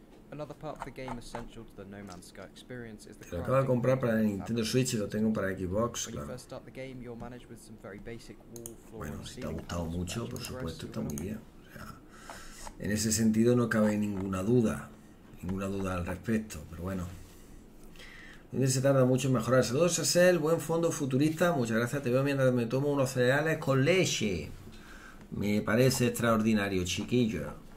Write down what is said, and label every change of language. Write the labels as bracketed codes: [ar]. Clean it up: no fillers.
[en] Another part of the game essential to the No Man's Sky experience is the. [es] Lo acabo de comprar para Nintendo Switch y lo tengo para Xbox, claro. [en] When you start the game, you'll manage with some very basic wall, floor, [es] bueno, si te ha gustado mucho, por supuesto, está muy bien. O sea, en ese sentido no cabe ninguna duda al respecto, pero bueno. Donde se tarda mucho en mejorar. Saludos a Cel, buen fondo futurista. Muchas gracias. Te veo mientras me tomo unos cereales con leche. Me parece extraordinario, chiquillo.